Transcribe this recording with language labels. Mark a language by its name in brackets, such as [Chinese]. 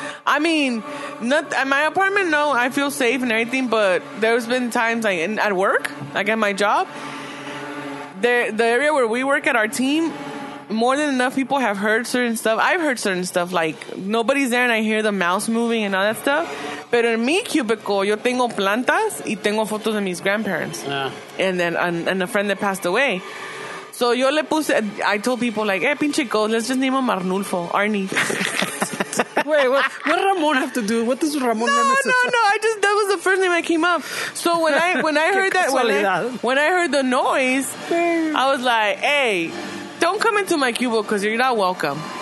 [English] I mean, not at my apartment, no, I feel safe and everything, but there's been times at work, like at my job, the area where we work at our team, more than enough people have heard certain stuff. I've heard certain stuff, like nobody's there and I hear the mouse moving and all that stuff. [Spanish] Pero en mi cubicle, yo tengo plantas y tengo fotos de mis grandparents. [English] Yeah. And then and a friend that passed away. So [Spanish] yo le puse, [English] I told people like, hey, pinche ghost, let's just name him Arnulfo, Arnie. Wait, what does Ramon have to do? What does Ramon have to do? No, I just, that was the first name that came up. So when I heard that, when I heard the noise, I was like, hey, don't come into my cubo because you're not welcome.